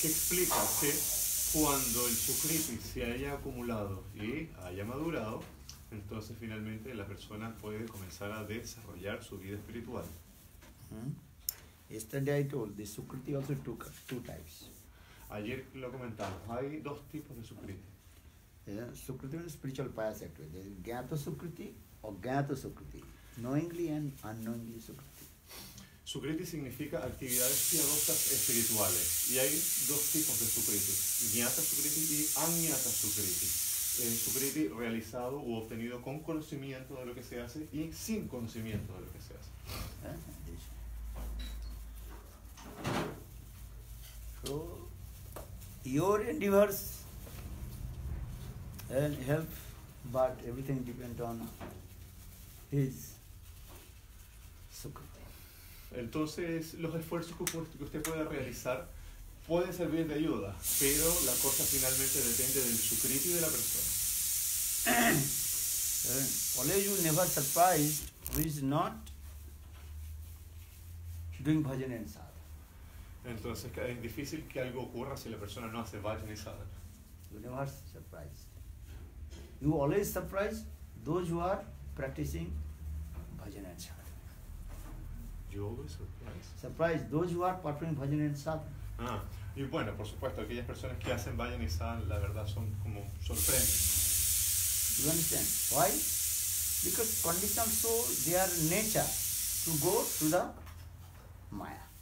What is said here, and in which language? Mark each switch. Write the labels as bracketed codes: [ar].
[es] Que explica que cuando el Sukriti se haya acumulado y haya madurado, entonces finalmente la persona puede comenzar a desarrollar su vida espiritual. [en] Yesterday I told the Sukriti also took two types. [es] Ayer lo comentamos, hay dos tipos de Sukriti. [en] Sukriti is spiritual pious actually. There is Gyato Sukriti or Gyato Sukriti. Knowingly and unknowingly Sukriti. [es] Sukriti significa actividades piadosas espirituales. Y hay dos tipos de Sukriti. Gnata Sukriti y Agnata Sukriti. Sukriti realizado u obtenido con conocimiento de lo que se hace y sin conocimiento de lo que se hace. [en] So, your endeavors help, but everything depends on his Sukriti. [es] Entonces, los esfuerzos que usted pueda realizar pueden servir de ayuda, pero la cosa finalmente depende del Sukriti de la persona. [en] Only you never surprise who is not doing bhajan and sadhana. [es] Entonces, es difícil que algo ocurra si la persona no hace bhajan y sadhana. [en] You never surprise. You always surprise those who are practicing bhajan and sadhana. You always surprise. Surprise those who are performing bhajan and sadhana. [es] Y bueno, por supuesto, aquellas personas que hacen bhajan y sadhana, la verdad, son como sorprenden. [en] You understand? Why? Because conditioned soul, they are nature to go to the maya.